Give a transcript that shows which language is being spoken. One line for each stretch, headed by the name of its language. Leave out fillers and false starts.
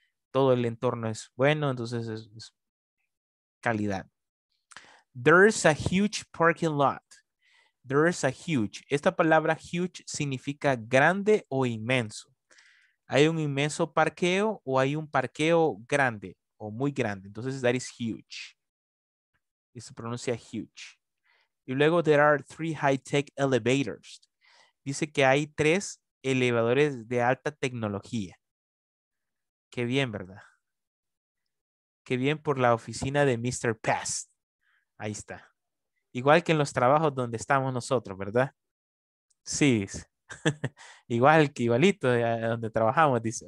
Spanish: Todo el entorno es bueno, entonces es calidad.
English: There's a huge parking lot. There's a huge.
Spanish: Esta palabra huge significa grande o inmenso. Hay un inmenso parqueo o hay un parqueo grande o muy grande. Entonces,
English: that is huge.
Spanish: Y se pronuncia huge. Y luego,
English: there are three high-tech elevators.
Spanish: Dice que hay tres elevadores de alta tecnología. Qué bien, ¿verdad? Qué bien por la oficina de Mr. Pest. Ahí está. Igual que en los trabajos donde estamos nosotros, ¿verdad? Sí. Igual que igualito donde trabajamos, dice.